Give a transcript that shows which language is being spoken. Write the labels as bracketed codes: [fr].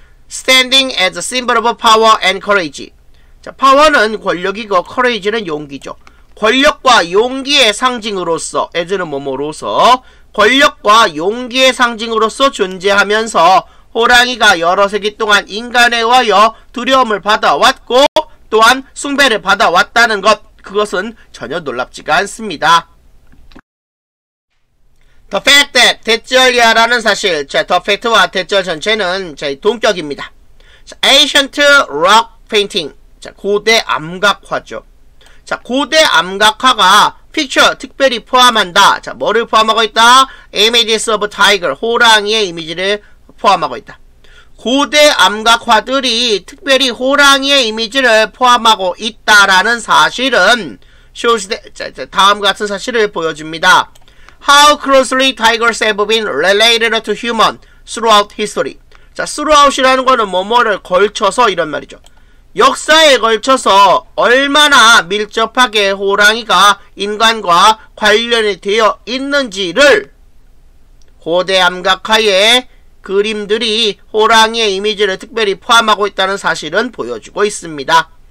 [en] standing as a symbol of power and courage. [ko] 자, 파워는 권력이고 courage는 용기죠. 권력과 용기의 상징으로서, as는 뭐뭐로서, 권력과 용기의 상징으로서 존재하면서 호랑이가 여러 세기 동안 인간에 의하여 두려움을 받아왔고 또한 숭배를 받아왔다는 것, 그것은 전혀 놀랍지가 않습니다. [en] The fact that, [ko] 대절이야라는 사실. 자, the fact와 대절 전체는 자, 동격입니다. 자, ancient rock painting. 자, 고대 암각화죠. 자, 고대 암각화가 picture, 특별히 포함한다. 자, 뭐를 포함하고 있다? [en] images of tiger, [ko] 호랑이의 이미지를 포함하고 있다. 고대 암각화들이 특별히 호랑이의 이미지를 포함하고 있다라는 사실은 [en] shows that, [ko] 자, 다음 같은 사실을 보여줍니다. [en] How closely tigers have been related to human throughout history. [ko] 자, throughout이라는 거는 뭐뭐를 걸쳐서 이런 말이죠. 역사에 걸쳐서 얼마나 밀접하게 호랑이가 인간과 관련이 되어 있는지를 고대 암각화의 그림들이 호랑이의 이미지를 특별히 포함하고 있다는 사실은 보여주고 있습니다.